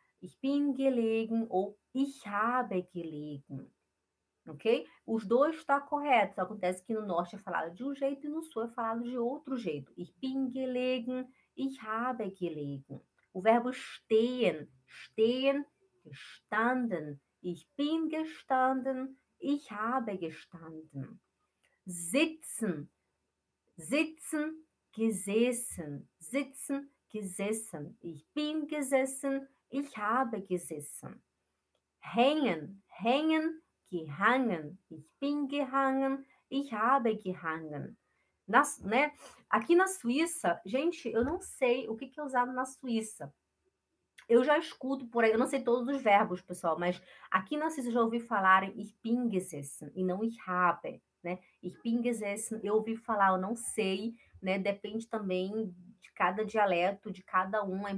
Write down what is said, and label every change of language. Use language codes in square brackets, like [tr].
[de] Ich bin gelegen ou ich habe gelegen. [pt] Ok? Os dois estão corretos. Acontece que no norte é falado de um jeito e no sul é falado de outro jeito. [de] Ich bin gelegen, ich habe gelegen. [pt] O verbo stehen, stehen, gestanden. [de] Ich bin gestanden, ich habe gestanden. Sitzen, sitzen, gesessen, sitzen, gesessen. Ich bin gesessen, ich habe gesessen. Hängen, hängen, gehangen. Ich bin gehangen, ich habe gehangen. [pt] Né? Aqui na Suíça, gente, eu não sei o que é usado na Suíça. Eu já escuto por aí, eu não sei todos os verbos, pessoal, mas aqui na Suíça eu já ouvi falarem [de] ich bin gesessen [pt] e não ich habe. Né? [de] Ich bin gesessen, [pt] eu ouvi falar, eu não sei, né? Depende também de cada dialeto, de cada um.